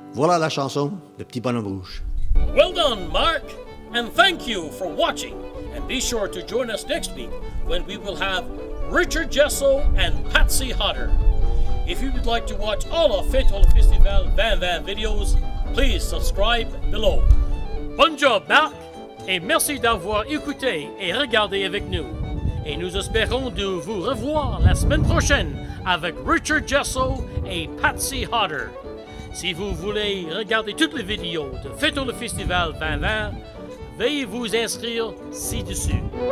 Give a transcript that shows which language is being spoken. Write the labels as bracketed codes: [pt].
[fr] Voilà la chanson de Petit Bonhomme Rouge. [en] Well done, Mark, and thank you for watching. And be sure to join us next week when we will have Richard Jessel and Patsy Hodder. If you would like to watch all of Fête au Festival Van Van videos, please subscribe below. [fr] Bon job, Marc, et merci d'avoir écouté et regardé avec nous. Et nous espérons de vous revoir la semaine prochaine avec Richard Jessel et Patsy Hodder. Si vous voulez regarder toutes les vidéos de Fête au Festival Van Van, veuillez vous inscrire ci-dessus.